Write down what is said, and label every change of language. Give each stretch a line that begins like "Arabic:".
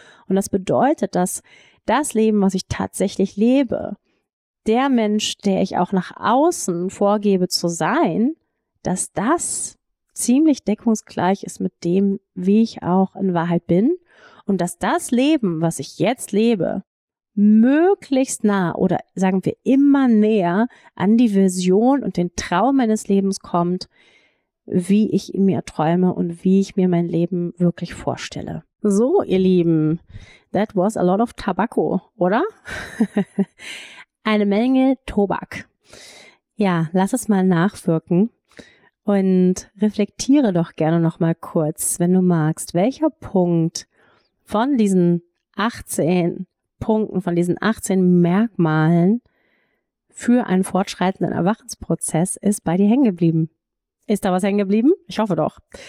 German: Und das bedeutet, dass das Leben, was ich tatsächlich lebe, der Mensch, der ich auch nach außen vorgebe zu sein, dass das ziemlich deckungsgleich ist mit dem, wie ich auch in Wahrheit bin und dass das Leben, was ich jetzt lebe, möglichst nah oder sagen wir immer näher an die Vision und den Traum meines Lebens kommt, wie ich in mir träume und wie ich mir mein Leben wirklich vorstelle.
English: So,
German: ihr Lieben,
English: that was a lot of tobacco, oder?
German: Eine Menge Tobak. Ja, lass es mal nachwirken. Und reflektiere doch gerne nochmal kurz, wenn du magst, welcher Punkt von diesen 18 Punkten, von diesen 18 Merkmalen für einen fortschreitenden Erwachensprozess ist bei dir hängen geblieben? Ist da was hängen geblieben? Ich hoffe doch.